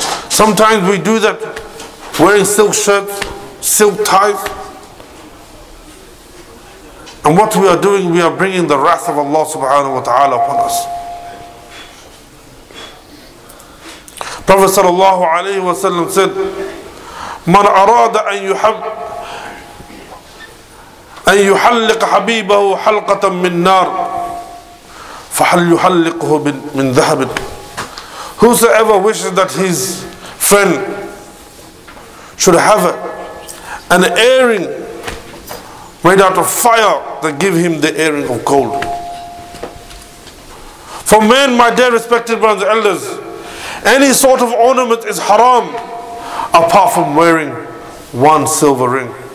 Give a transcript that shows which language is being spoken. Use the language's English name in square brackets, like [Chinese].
[English] Sometimes we do that, wearing silk shirts, silk ties. And what we are doing, we are bringing the wrath of Allah subhanahu wa ta'ala upon us. Prophet sallallahu alayhi wa sallam said, [Arabic] مَنْ أَرَادَ أَنْ يُحَلِّقَ حَبِيبَهُ حَلْقَةً مِّن نَارٍ فَحَلْ يُحَلِّقْهُ مِّن ذَهَبٍ. [English] Whosoever wishes that his friend should have an earring made out of fire, that give him the earring of gold. For men, my dear respected brothers and elders, any sort of ornament is haram apart from wearing one silver ring.